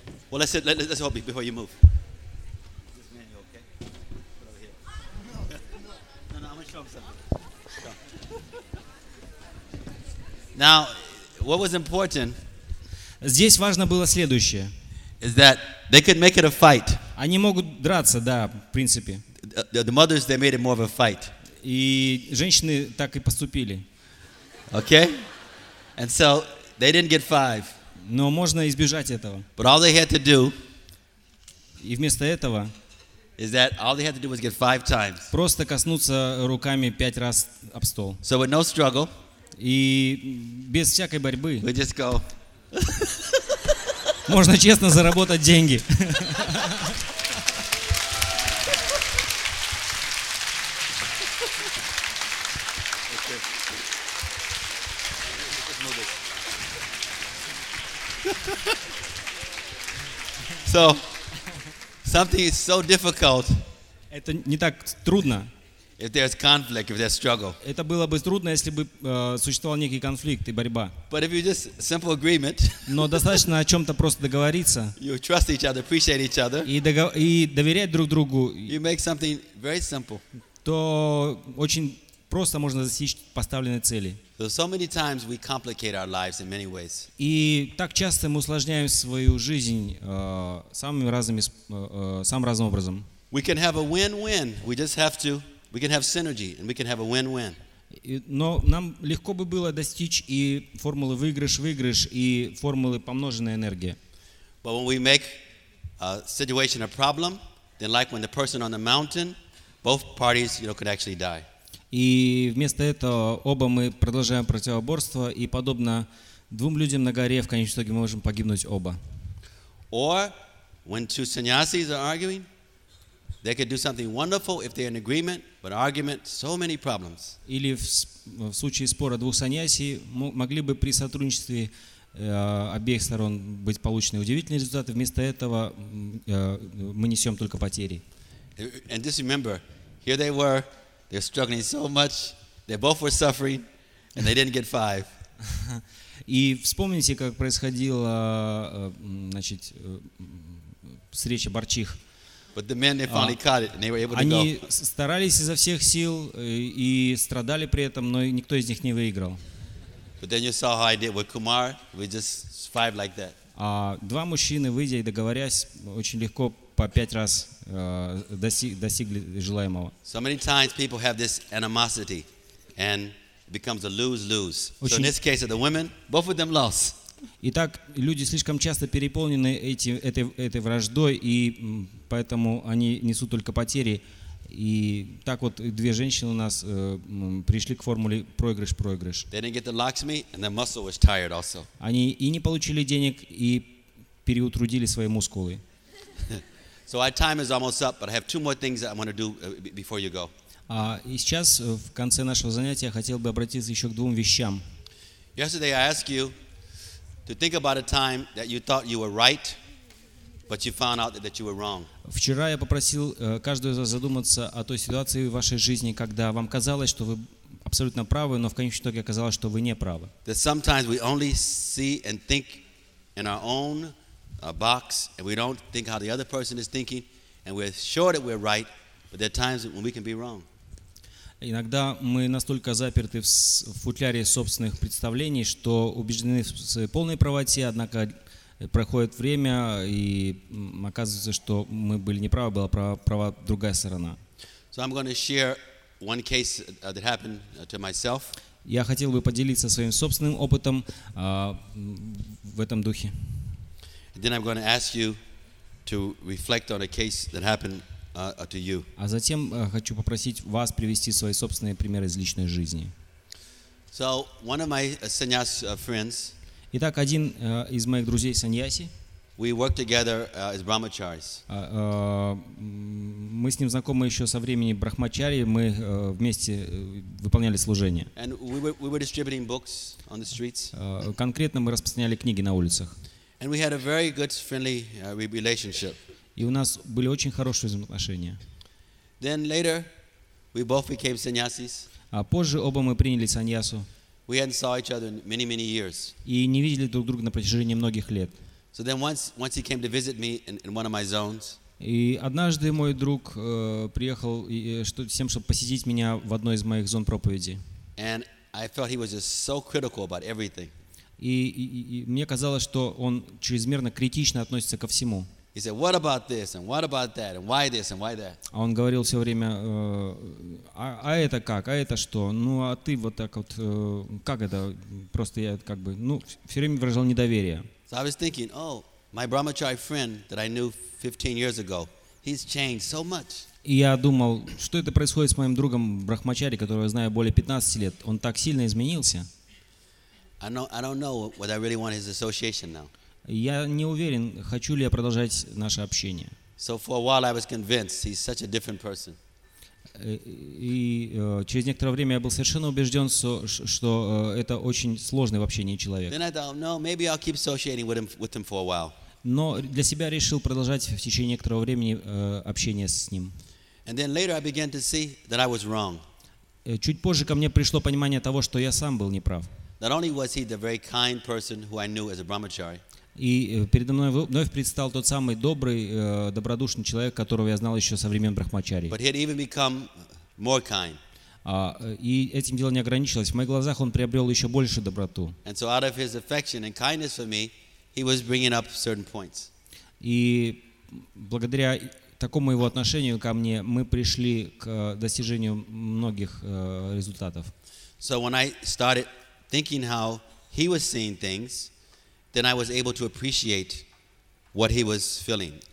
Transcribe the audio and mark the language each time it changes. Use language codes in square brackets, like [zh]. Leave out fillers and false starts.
[en] Well, let's hold it before you move. This man, you okay? Put over here. No, I'm gonna show him something. Now, what was important? [ru] Здесь важно было следующее. [en] Is that they could make it a fight? [ru] Они могут драться, да, в принципе. [en] The mothers, they made it more of a fight. [ru] И женщины так и поступили. [en] Okay. And so they didn't get five. [ru] Но можно избежать этого. [en] But all they had to do, [ru] и вместо этого, [en] is that all they had to do was get five times. [ru] Просто коснуться руками пять раз об стол. [en] So with no struggle, [ru] и без всякой борьбы, [en] we just go. [ru] Можно честно заработать деньги. [en] So, something is so difficult. [ru] Это не так трудно. [en] If there's conflict, if there's struggle. [ru] Это было бы трудно, если бы существовал некий конфликт и борьба. [en] But if you just simple agreement. [ru] Но достаточно о чем-то просто договориться. [en] You trust each other, appreciate each other. [ru] И доверять друг другу. [en] You make something very simple. [ru] То очень просто можно достичь поставленной цели. [en] So many times we complicate our lives in many ways. [ru] И так часто мы усложняем свою жизнь самым разным образом. [en] We can have a win-win. We just have to. We can have synergy, and we can have a win-win. [ru] Но нам легко бы было достичь и формулы выигрыш-выигрыш и формулы помноженная энергия. [en] But when we make a situation a problem, then like when the person on the mountain, both parties, you know, could actually die. [ru] И вместо этого оба мы продолжаем противоборство, и подобно двум людям на горе, в конечном итоге мы можем погибнуть оба. [en] Or when two sannyasis are arguing, they could do something wonderful if they're in agreement, but argument, so many problems. [ru] Или в случае спора двух саньяси могли бы при сотрудничестве обеих сторон быть получены удивительные результаты, вместо этого мы несем только потери. [en] And just remember, here they were. They're struggling so much. They both were suffering, and they didn't get five. [ru] И вспомните, как происходила, значит, встреча борчих. [en] But the men, they finally caught it, and they were able to go. [ru] Они старались изо всех сил и страдали при этом, но никто из них не выиграл. [en] But then you saw how I did with Kumar. We just five like that. [ru] А два мужчины, выйдя и договорясь, очень легко по пять раз достигли желаемого. [en] So many times people have this animosity and it becomes a lose-lose. So in this case of the women, both of them lost. [ru] Итак, люди слишком часто переполнены этой враждой, и поэтому они несут только потери. И так вот две женщины у нас пришли к формуле проигрыш-проигрыш. [en] They didn't get the lakshmi, and their muscle was tired also. [ru] Они и не получили денег, и переутрудили свои мускулы. [en] So our time is almost up, but I have two more things that I want to do before you go. [ru] И сейчас в конце нашего занятия я хотел бы обратиться еще к двум вещам. [en] Yesterday I asked you to think about a time that you thought you were right, but you found out that you were wrong. [ru] Вчера я попросил каждого из вас задуматься о той ситуации в вашей жизни, когда вам казалось, что вы абсолютно правы, но в конечном итоге оказалось, что вы не правы. [en] That sometimes we only see and think in our own a box, and we don't think how the other person is thinking, and we're sure that we're right, but there are times when we can be wrong. [ru] Иногда мы настолько заперты в футляре собственных представлений, что убеждены в своей полной правоте, однако проходит время, и оказывается, что мы были неправы, была права другая сторона. [en] So I'm going to share one case that happened to myself. [ru] Я хотел бы поделиться своим собственным опытом в этом духе. [en] Then I'm going to ask you to reflect on a case that happened to you. [ru] А затем хочу попросить вас привести свои собственные примеры из личной жизни. [en] So one of my sannyas friends. [ru] Итак, один из моих друзей саньяси. [en] We worked together as brahmacharis. [ru] Мы с ним знакомы еще со времени брахмачари, мы вместе выполняли служение. [en] And we were distributing books on the streets. [ru] Конкретно мы распространяли книги на улицах. [en] And we had a very good friendly relationship. [ru] И у нас были очень хорошие взаимоотношения. [en] Then later we both became sannyasis. [ru] А позже оба мы приняли саньясу. [en] We hadn't saw each other in many, many years. [ru] И не видели друг друга на протяжении многих лет. [en] So then once he came to visit me in one of my zones. [ru] И однажды мой друг приехал тем, чтобы посетить меня в одной из моих зон проповеди. [en] And I felt he was just so critical about everything. [ru] И мне казалось, что он чрезмерно критично относится ко всему. [en] He said, "What about this? And what about that? And why this? And why that?" [ru] А он говорил все время: "А это как? А это что? Ну, а ты вот так вот? Как это? Просто я как бы, ну, все время выражал недоверие." [en] So I was thinking, "Oh, my brahmachari friend that I knew 15 years ago, he's changed so much." [ru] И я думал, что это происходит с моим другом брахмачари, которого я знаю более 15 лет? Он так сильно изменился? [en] I don't know whether I really want his association now. [ru] Я не уверен, хочу ли я продолжать наше общение. [en] So for a while I was convinced he's such a different person. [ru] И через некоторое время я был совершенно убежден, что это очень сложный в общении человек. [en] Then I thought, no, maybe I'll keep associating with him for a while. [ru] Но для себя решил продолжать в течение некоторого времени общение с ним. [en] And then later I began to see that I was wrong. [ru] Чуть позже ко мне пришло понимание того, что я сам был неправ. [en] Not only was he the very kind person who I knew as a brahmachari. [ru] И передо мной вновь предстал тот самый добрый, добродушный человек, которого я знал еще со времен брахмачари. [en] But he had even become more kind. [ru] И этим дело не ограничилось. В моих глазах он приобрел еще больше доброту. [en] And so out of his affection and kindness for me, he was bringing up certain points. [ru] И благодаря такому его отношению ко мне мы пришли к достижению многих результатов. [en] So when I started thinking how he was seeing things, then I was able to appreciate what he was feeling.